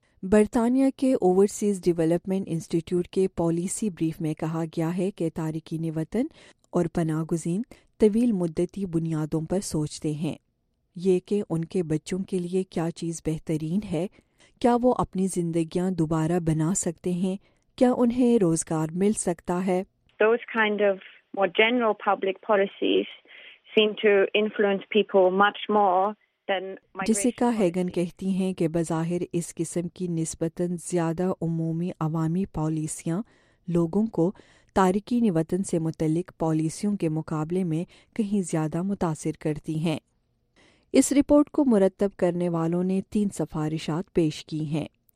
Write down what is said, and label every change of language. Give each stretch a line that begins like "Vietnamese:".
Urdu: برطانیہ کے overseas development institute کے پالیسی بریف میں کہا گیا ہے کہ تارکین وطن اور پناہ گزین طویل مدتی بنیادوں پر سوچتے ہیں. یہ کہ ان کے بچوں کے لیے کیا چیز بہترین ہے، کیا وہ اپنی زندگیاں دوبارہ بنا سکتے ہیں، کیا انہیں روزگار مل سکتا ہے.
English: Those kind of more general public policies seem to influence people much more.
Urdu: جیسیکا ہیگن کہتی ہیں کہ بظاہر اس قسم کی نسبتاً زیادہ عمومی عوامی پالیسیاں لوگوں کو تارکین وطن سے متعلق پالیسیوں کے مقابلے میں کہیں زیادہ متاثر کرتی ہیں. اس رپورٹ کو مرتب کرنے والوں نے 3 سفارشات پیش کی ہیں.